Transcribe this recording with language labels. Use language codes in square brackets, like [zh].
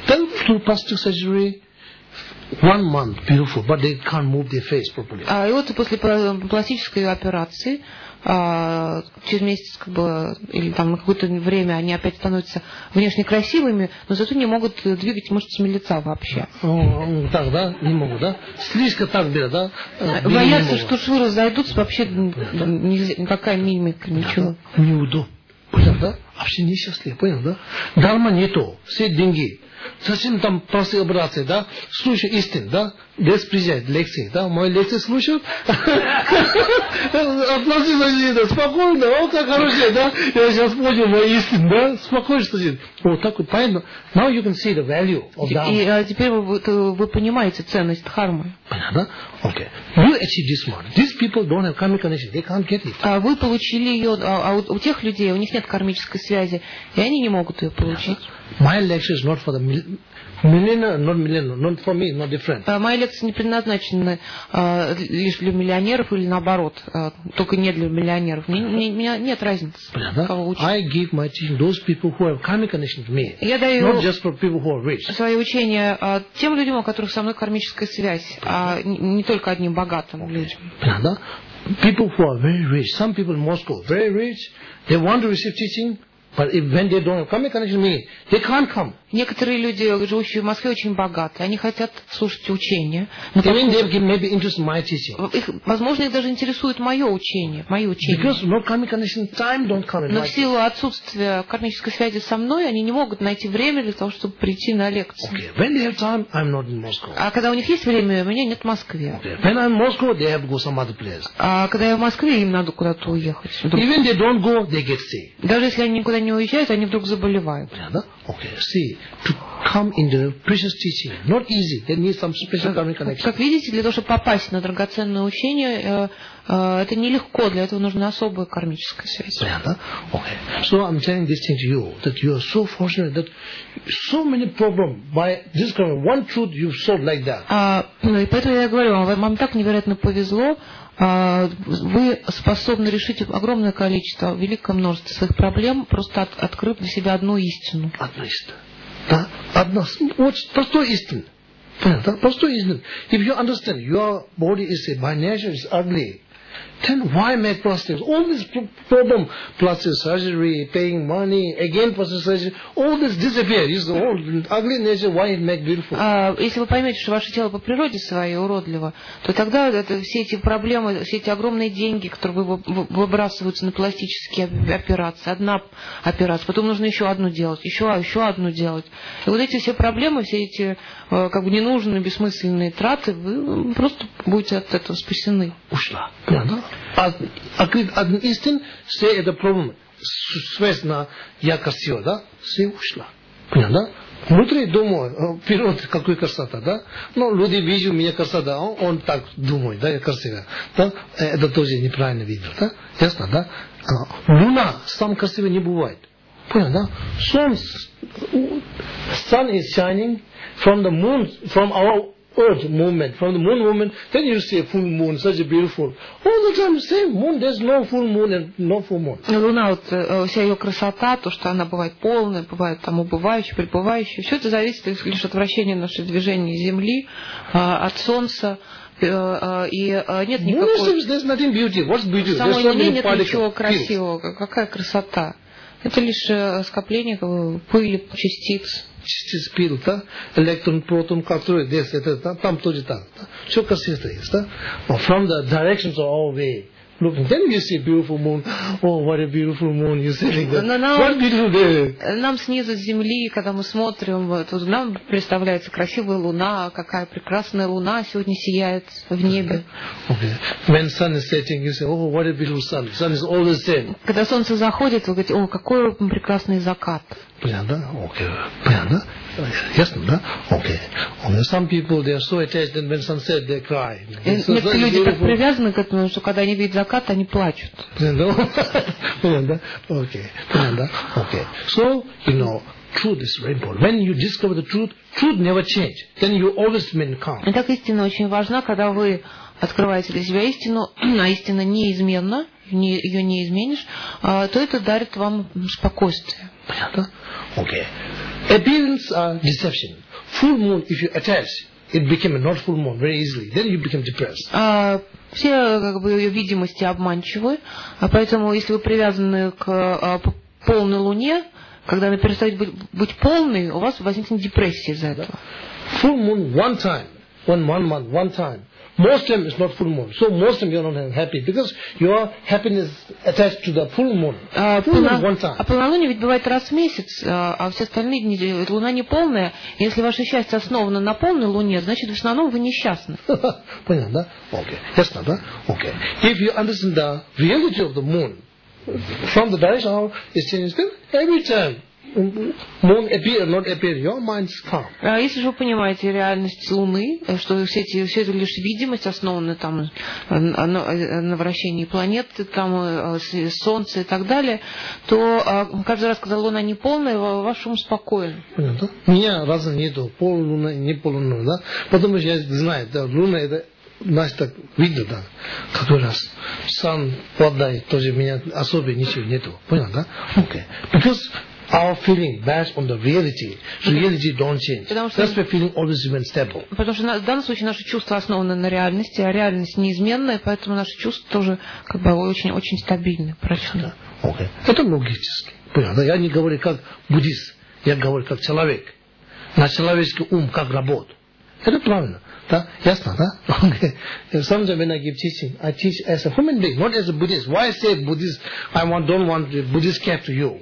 [en] Then to plastic surgery, 1 month beautiful, but they can't move their face properly. [ru] А и вот после пластической операции через месяц как бы или там на какое-то время они опять становятся внешне красивыми, но зато не могут двигать мышцами лица вообще. Так, да? Не могут, да? Слишком так, да? Боятся, что швы разойдутся, вообще никакая мимика, ничего. Неудобно. Понял, да? Вообще несчастлив, понял, да? Дарма не то, все деньги. Совсем там простые операции, да? Случай истин, да? без приезжать, лекции, да, мои лекции слушают, оплатил за это, спокойно, вот так хорошее, да, я сейчас понял, мои истины, да, спокойно, что здесь, вот так вот, правильно, [en] now you can see the value of dharma. [ru] И теперь вы понимаете ценность дхармы. [en] Понятно? Okay. You achieve this one. These people don't have karmic connection, they can't get it. [ru] А вы получили ее, а у тех людей, у них нет кармической связи, и они не могут ее получить. [en] My lecture is not for the millionaire, not millionaire, not for me, not different. [ru] Мои лекции не предназначены лишь для миллионеров или наоборот, только не для миллионеров. Меня нет разницы. Понятно? [en] I give my teaching those people who have karmic connection to me. [ru] Я даю [en] not just for people who are rich. [ru] Свои учения тем людям, у которых со мной кармическая связь, а не только одним богатым людям. Понятно? [en] People who are very rich, some people in Moscow very rich, they want to receive teaching. But if when they don't come, they can't meet. They can't come. [ru] Некоторые люди, живущие в Москве, очень богаты. Они хотят слушать учение. [en] Even they have maybe interest in my teaching. [ru] Возможно, их даже интересует мое учение, мое учение. [en] Because no karmic connection, time don't come. [ru] Но в силу отсутствия кармической связи со мной, они не могут найти время для того, чтобы прийти на лекцию. [en] Okay. When they have time, I'm not in Moscow. [ru] А когда у них есть время, у меня нет в Москве. [en] Okay. When I'm in Moscow, they have to go some other place. [ru] А когда я в Москве, им надо куда-то уехать. [en] Вдруг. Even they don't go, they get sick. [ru] Даже если они никуда не уезжают, они вдруг заболевают. [en] Понятно? Okay. See. To come into the precious teaching, not easy. They need some special karmic connection. [ru] Как видите, для того, чтобы попасть на драгоценное учение, это нелегко. Для этого нужна особая кармическая связь. Понятно? Okay. [en] So I'm telling this thing to you that you are so fortunate that so many problems by this karma, one truth you've solved like that. [ru] И поэтому я говорю вам, вам так невероятно повезло. Вы способны решить огромное количество, великое множество своих проблем, просто открыв для себя одну истину. Одну истину. Да, одна, очень простой истина. Да, простой истина. [en] If you understand, your body is by nature is ugly, then why make plastic? All this problem, plastic surgery, paying money, again plastic surgery, all this disappear. It's all ugly nature. Why make beautiful? [ru] Если вы поймете, что ваше тело по природе своей уродливо, то тогда это, все эти проблемы, все эти огромные деньги, которые выбрасываются на пластические операции, одна операция, потом нужно еще одну делать, еще одну делать. И вот эти все проблемы, все эти как бы ненужные, бессмысленные траты, вы просто будете от этого спасены. Ушла. Понятно? Открыть одну истину, все это проблемы, связь на яркость ее, да? Все ушла. Понятно? Внутри думаю, вперед, какой красота, да? Ну, люди видят меня красота, он так думает, да, я красивый. Да? Это тоже неправильно видно, да? Ясно, да? Луна сам красивый не бывает. Понятно, да? [en] Солнце, sun is shining from the moon, from our Earth movement, from the moon movement, then you see a full moon, such a beautiful. All the time, same moon, there's no full moon and no full moon. [ru] Луна, вот вся ее красота, то, что она бывает полная, бывает там убывающая, пребывающая, все это зависит лишь от вращения нашего движения Земли, от Солнца. [en] There's nothing beauty. What's beauty? [ru] В самой Луне нет ничего красивого. Какая красота? Это лишь скопление пыли, частиц. Частиц пыли, да? Электрон, протон, который здесь, это, там тоже так. Да? Все красиво есть, да? [en] But from the directions of our way, looking, then you see a beautiful moon. Oh, what a beautiful moon, you see. Like what beautiful day. [ru] Нам снизу Земли, когда мы смотрим, тут нам представляется красивая луна, какая прекрасная луна сегодня сияет в небе. [en] Okay. When sun is setting, you say, oh, what a beautiful sun. Sun is all the same. [ru] Когда солнце заходит, вы говорите, о, какой прекрасный закат. Понятно? Окей. Понятно? Ясно, да? Окей. Okay. [en] Some people, they are so attached, and when sunset, they cry. [ru] Некоторые люди так привязаны к этому, что когда они видят закат, они плачут. Понятно? Понятно? Окей. Понятно? Окей. [en] So, you know, truth is very important. When you discover the truth, truth never change. Then you always remain calm. [ru] Итак, истина очень важна, когда вы открываете для себя истину, а истина неизменна, ее не изменишь, то это дарит вам спокойствие. [en] Понятно? Okay. Appearance are deception. Full moon, if you attach, it became not full moon very easily. Then you become depressed. [ru] Все как бы ее видимости обманчивы, поэтому если вы привязаны к полной луне, когда она перестает быть полной, у вас возникнет депрессия из-за этого. [en] Full moon one time, one month, one time. Muslim is not full moon. So Muslim, you're not happy because your happiness attached to the full moon. Full moon one time. [ru] А полнолуние ведь бывает раз в месяц, а все остальные дни луна не полная. Если ваше счастье основано на полной луне, значит в основном вы несчастны. Понятно, да? Okay. [en] Yes, not, [ru] да? Okay. [en] If you understand the reality of the moon from the direction of its changing spin, every time moon appear, not appear, your mind's calm. [ru] Если же вы понимаете реальность Луны, что все это лишь видимость, основанная там на вращении планеты, там Солнце и так далее, то каждый раз, когда Луна не полная, ваш ум спокоен. Понятно. У меня раза нету полулуна, не полулуна, да? Потому что я знаю, да, Луна это значит так видно, да, какой раз сам подай, тоже у меня особо ничего нету. Понял, да? Окей. [en] Our feeling based on the reality. Reality don't change. That's why feeling always remains stable. [ru] Потому что в данном случае наши чувства основаны на реальности, а реальность неизменная, поэтому наши чувства тоже как бы очень-очень стабильны, прочны. Okay. Это логически. Понятно? Я не говорю как буддист, я говорю как человек. На человеческий ум как работает. Это правильно. Да? Ясно, да? Okay. [en] Sometimes when I give teaching, I teach as a human being, not as a Buddhist. Why I say Buddhist, I don't want the Buddhist care to you.